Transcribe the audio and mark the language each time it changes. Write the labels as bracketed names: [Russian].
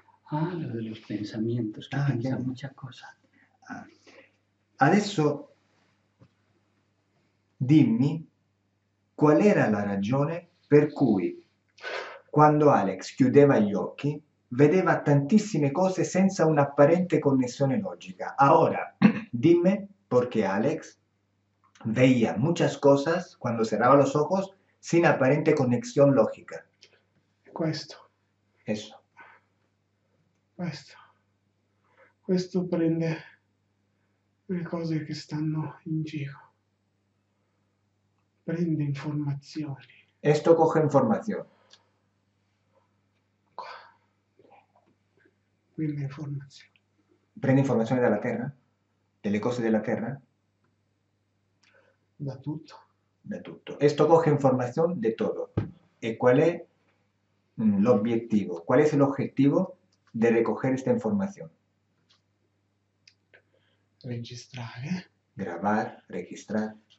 [Spanish] Ah, lo de los pensamientos, que piensa ya. Mucha cosa. [Italian] Adesso, dimmi qual era la ragione per cui quando Alex chiudeva gli occhi vedeva tantissime cose senza un'apparente connessione logica. Ora, dimmi perché [Spanish] Alex veía muchas cosas cuando cerraba los ojos sin aparente conexión lógica. [Italian] Questo. [Spanish] Eso. [Italian] Questo. Questo prende le cose che stanno in giro. Prende informazioni. [Spanish] Esto coge información. [Italian] Prende informazioni. Prende informazioni dalla terra? Delle cose della terra? Da tutto. [Spanish] De todo. Esto coge información de todo. ¿Y cuál es el objetivo? ¿Cuál es el objetivo de recoger esta información? Registrar. Grabar, registrar.